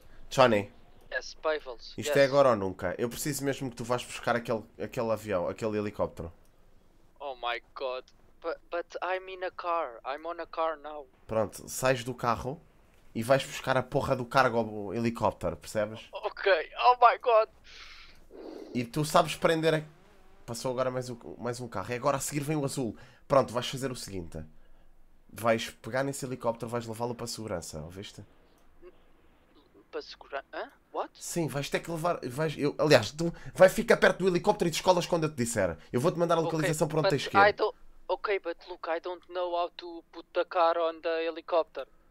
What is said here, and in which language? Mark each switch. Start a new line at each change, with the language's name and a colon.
Portuguese: Johnny.
English: Yes, Pavels.
Portuguese: Isto É agora ou nunca. Eu preciso mesmo que tu vás buscar aquele avião, aquele helicóptero.
English: Oh my god, but I'm in a car, I'm on a car now.
Portuguese: Pronto, sais do carro e vais buscar a porra do cargo ao helicóptero, percebes?
English: Ok, oh my god.
Portuguese: E tu sabes prender a... Passou agora mais um carro, e agora a seguir vem o azul. Pronto, vais fazer o seguinte. Vais pegar nesse helicóptero, vais levá-lo para a segurança, ouviste? Para segurança?
English: What?
Portuguese: Sim, vais ter que levar... aliás, tu vai ficar perto do helicóptero e de escolas quando eu te disser. Eu vou-te mandar a localização
English: okay,
Portuguese: por onde tens que ir.
English: Ok, but look, I don't know how to put the car on the helicopter.